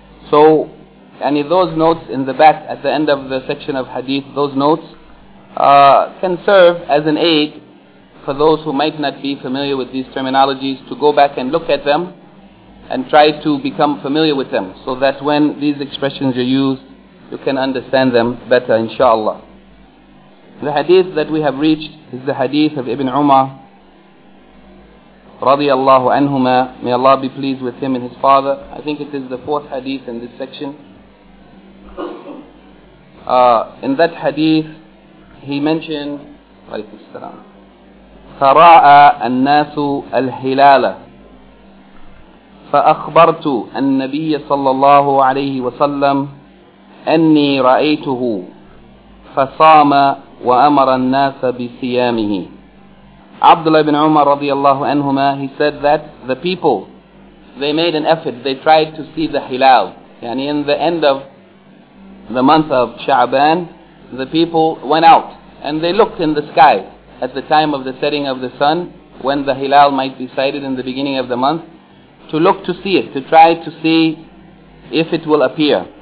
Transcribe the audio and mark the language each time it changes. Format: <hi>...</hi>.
<en>So, any of those notes in the back at the end of the section of hadith, those notes can serve as an aid for those who might not be familiar with these terminologies, to go back and look at them and try to become familiar with them, so that when these expressions are used, you can understand them better, inshallah. The hadith that we have reached is the hadith of Ibn Umar, radiallahu anhuma, may Allah be pleased with him and his father. I think it is the fourth hadith in this section. In that hadith, he mentioned, alaykum as-salam,</en> <ar>فراء الناس الهلال فأخبرت النبي صلى الله عليه وسلم أني رأيته فصام وأمر الناس بصيامه.</ar> <en>Abdullah ibn Umar radiallahu anhuma, he said that the people, they made an effort, they tried to see the hilal. Yani in the end of the month of Sha'ban, the people went out and they looked in the sky at the time of the setting of the sun, when the hilal might be sighted in the beginning of the month, to look to see it, to try to see if it will appear.</en>